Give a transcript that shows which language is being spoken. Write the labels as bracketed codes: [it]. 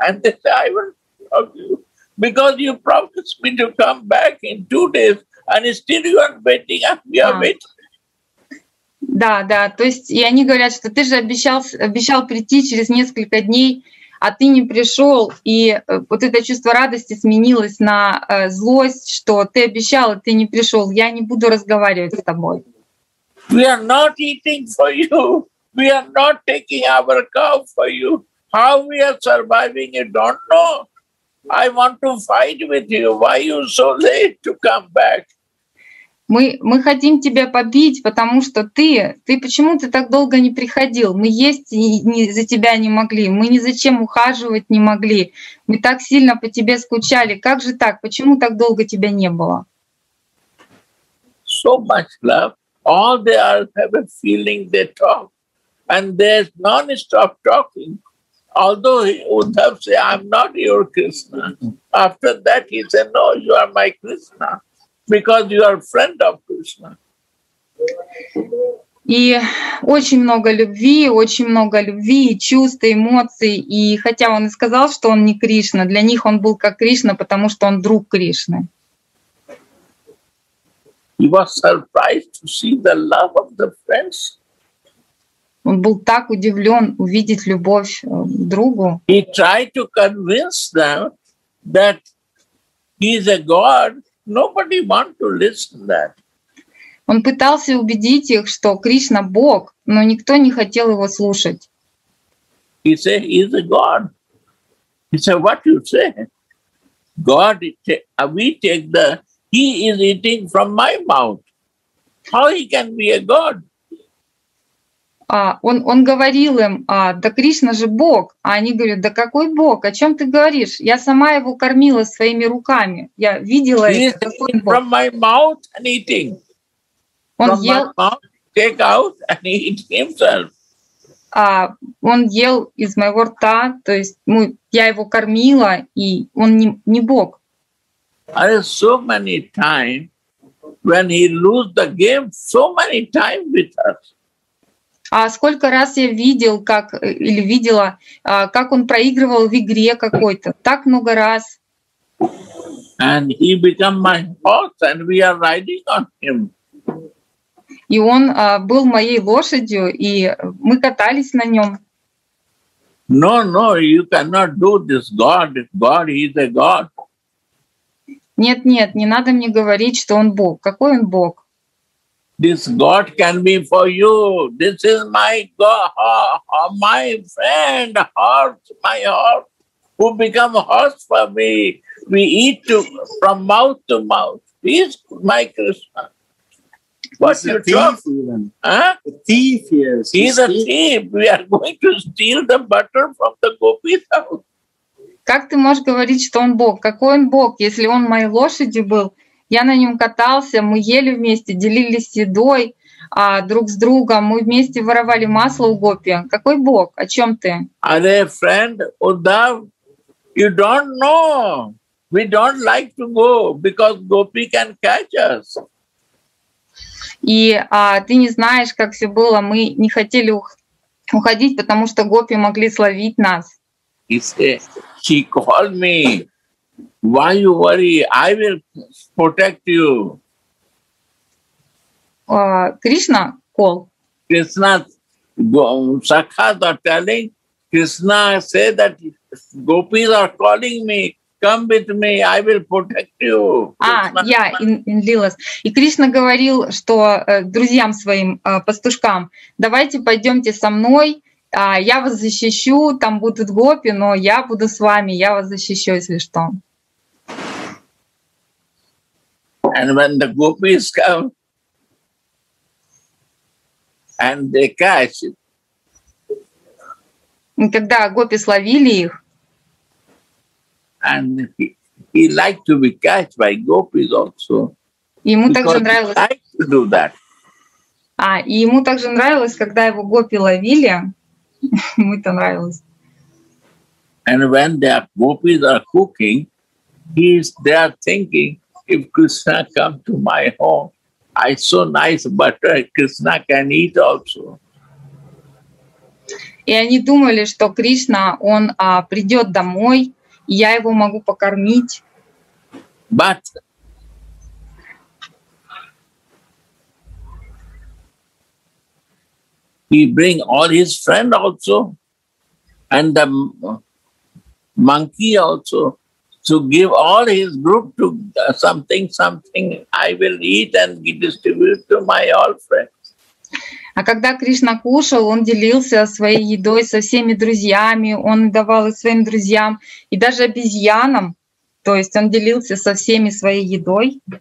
[en] And they say, I will talk to you. Because you promised me to come back in 2 days. And still you are waiting. And we are waiting. [ru] Да, да. То есть, и они говорят, что ты же обещал прийти через несколько дней, а ты не пришел, и вот это чувство радости сменилось на злость, что ты обещал, а ты не пришел. Я не буду разговаривать с тобой. [en] We are not eating for you. We are not taking our cow for you. How we are surviving, you don't know. I want to fight with you. Why you so late to come back? [ru] Мы хотим тебя побить, потому что ты почему ты так долго не приходил? Мы есть не за тебя не могли, мы ни за чем ухаживать не могли. Мы так сильно по тебе скучали. Как же так? Почему так долго тебя не было? [en] So much love. All they are have a feeling they talk. And there's non-stop talking. Although Uddhav say, I'm not your Krishna. After that he said, no, you are my Krishna. Because you are friend of Krishna. [ru] И очень много любви, и чувств, эмоций. И хотя он и сказал, что он не Кришна, для них он был как Кришна, потому что он друг Кришны. [en] He was surprised to see the love of the friends. [ru] Он был так удивлен увидеть любовь другу. [en] He tried to convince them that he is a god. Nobody want to listen that. [ru] Он пытался убедить их, что Кришна Бог, но никто не хотел его слушать. [en] He say he is a god. He say what you say? God, we take the he is eating from my mouth. How he can be a god? [ru] Он говорил им, да Кришна же Бог. А они говорят, да какой Бог? О чем ты говоришь? Я сама его кормила своими руками. Я видела это. Какой Бог? [en] From my mouth and eating. [ru] Он [en] from [ru] ел... [en] my mouth, take out and eat himself. [ru] Он ел из моего рта, то есть я его кормила, и он не Бог. [en] There are so many times when he lose the game, so many times with us. [ru] А сколько раз я видел, как или видела, как он проигрывал в игре какой-то. Так много раз. [en] And he became my horse, and we are riding on him. [ru] И он был моей лошадью, и мы катались на нем. [en] No, no, you cannot do this. God, he is a god. [ru] Нет, не надо мне говорить, что он Бог. Какой он Бог? [en] This God can be for you. This is my God, my friend, horse, my horse, who become horse for me. We eat from mouth to mouth. He's my Krishna. What's your job? The thief, yes. He's a thief. We are going to steal the butter from the gopis' house. [ru] Как ты можешь говорить, что он Бог? Какой он Бог, если он моей лошадью был? Я на нем катался, мы ели вместе, делились едой. друг с другом, мы вместе воровали масло у гопи. Какой Бог? О чем ты? [en] Are they friend, Uddhav? You don't know. We don't like to go, because gopi can catch us. [ru] И ты не знаешь, как все было. Мы не хотели уходить, потому что гопи могли словить нас. [en] He said, he called me. Why you worry? I will protect you. Krishna call. Krishna, Sakhas are telling, Krishna say that gopis are calling me. Come with me, I will protect you. In Lilas. [ru] И Кришна говорил, что друзьям своим, пастушкам, давайте пойдемте со мной, я вас защищу, там будут гопи, но я буду с вами, я вас защищу, если что. [en] And when the gopis come, and they catch it. [ru] И когда гопи словили их, [en] and he liked to be catched by gopis also. [ru] Ему также нравилось. [en] He liked to do that. [ru] И ему также нравилось, когда его гопи ловили. Ему это нравилось. [en] And when the gopis are cooking, he's there thinking, if Krishna come to my home, I so nice butter, Krishna can eat also. [ru] И они думали, что Кришна, он придет домой. Я его могу покормить. [en] But he bring all his friend also and the monkey also to give all his group to something I will eat and distribute to my all friends. [ru] А когда Кришна кушал, он делился своей едой со всеми друзьями, он давал и своим друзьям, и даже обезьянам, то есть он делился со всеми своей едой.